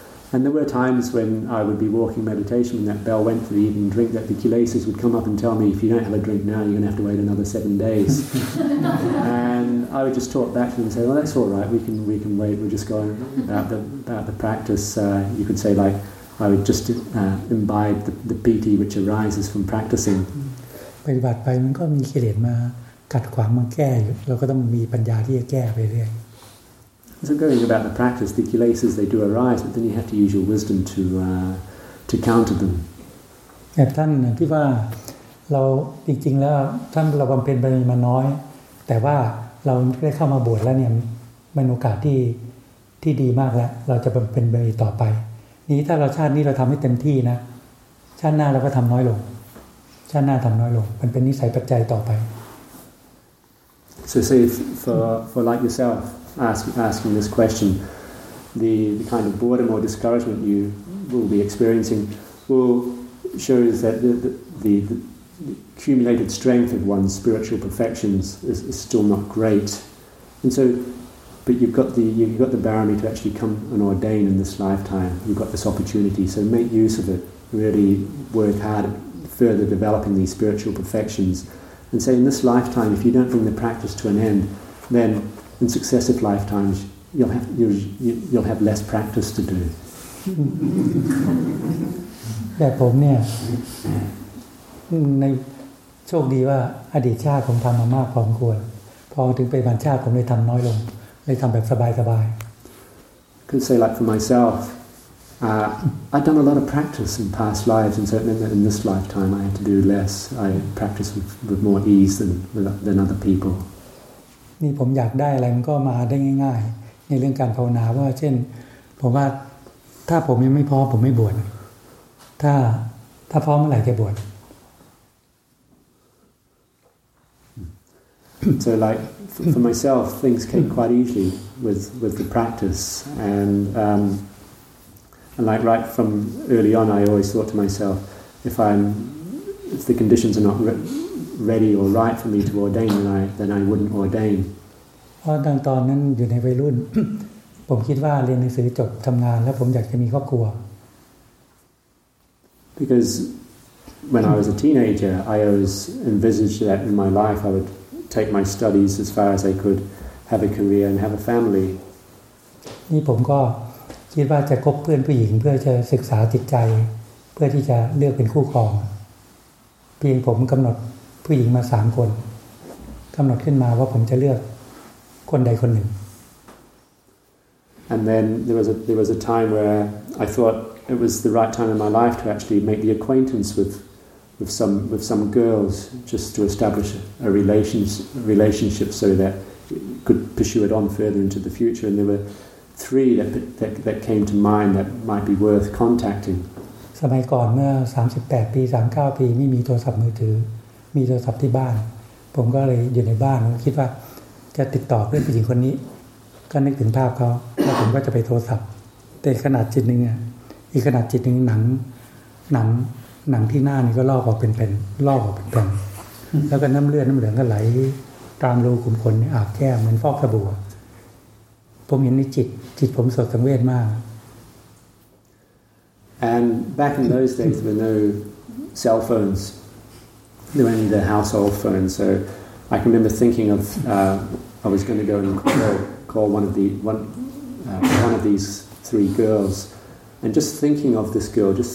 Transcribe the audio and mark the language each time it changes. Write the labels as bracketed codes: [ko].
[en] And there were times when I would be walking meditation when that bell went for the evening drink that the kilesas would come up and tell me if you don't have a drink now you're going to have to wait another 7 days and I would just talk back to them and say well that's all right we can wait we're just going about the practice you could say like I would just imbibe the piti which arises from practicing [th] ปฏิบัติไปมันก็มีกิเลสมากัดขวางมันแก้อยู่เราก็ต้องมีปัญญาที่จะแก้ไปเรื่อย [en] So going about the practice, the kilesas they do arise, but then you have to use your wisdom to counter them. [th] แต่ท่านคิดว่าเราจริงๆแล้วท่านเราบำเพ็ญบารมีมาน้อยแต่ว่าเราได้เข้ามาบวชแล้วเนี่ยมันโอกาสที่ดีมากแล้วเราจะบำเพ็ญบารมีต่อไปนี้ถ้าเราชาตินี้เราทำให้เต็มที่นะชาติหน้าเราก็ทำน้อยลงชาติหน้าทำน้อยลงมันเป็นนิสัยปัจจัยต่อไป [en] So say for like yourself asking this question, the kind of boredom or discouragement you will be experiencing will show us that the accumulated strength of one's spiritual perfections is still not great. And so, but you've got the barami to actually come and ordain in this lifetime. You've got this opportunity, so make use of it. Really work hard at further developing these spiritual perfections. And say in this lifetime, if you don't bring the practice to an end, then in successive lifetimes you'll have less practice to do. [th] แต่ผมเนี่ย ในโชคดีว่าอดีตชาติผมทำมามากพอสมควรพอถึงปัจจุบันชาติผมเลยทำน้อยลงเลยทำแบบสบาย [en] ๆ Can say like for myself I've done a lot of practice in past lives and so it meant that in this lifetime I had to do less I practice with more ease than other people [th] นี่ผมอยากได้อะไรมันก็มาได้ง่ายๆในเรื่องการภาวนาว่าเช่นผมว่าถ้าผมยังไม่พร้อมผมไม่บวชถ้าพร้อมเมื่อไหร่จะบวช [en] So like for myself things came quite easily with the practice and like right from early on I always thought to myself if the conditions are not ready or right for me to ordain then I wouldn't ordain [th] เพราะตอนนั้นอยู่ในวัยรุ่นผมคิดว่าเรียนหนังสือจบทำงานแล้วผมอยากจะมีครอบครัว [en] Because when I was a teenager I always envisaged that in my life I would take my studies as far as I could have a career and have a family [th] นี่ผมก็คิดว่าจะคบเพื่อนผู้หญิงเพื่อจะศึกษาจิตใจเพื่อที่จะเลือกเป็นคู่ครองเพียงผมกำหนดผู้หญิงมา3คนกำหนดขึ้นมาว่าผมจะเลือกคนใดคนหนึ่ง [en] And then there was a time where I thought it was the right time in my life to actually make the acquaintance with some girls just to establish a relationship so that it could pursue it on further into the future. And there were three that came to mind that might be worth contacting. [th] สมัยก่อนเมื่อ38ปี39ปีไม่มีโทรศัพท์มือถือมีโทรศัพท์ที่บ้านผมก็เลยอยู่ในบ้านคิดว่าจะติดต่อเพื่อนผู้หญิงคนนี้ก็นึกถึงภาพเขาแล้วผมก็จะไปโทรศัพท์แต่ขนาดจิตนึงอ่ะอีกขนาดจิตนึงหนังที่หน้านี่ก็ลอกออกเป็นแผ่นลอกออกเป็นแผ่นแล้วก็น้ำเลือดน้ำเหลืองก็ไหลตามรูขุมขนนี่อาบแก้มเหมือนฟอกสบู่ผมเห็นในจิตผมสดสังเวชมาก [en] and back in those days there were no cell phones there were only the household phones so I can remember thinking of I was going to go and call one of these three girls and just thinking of this girl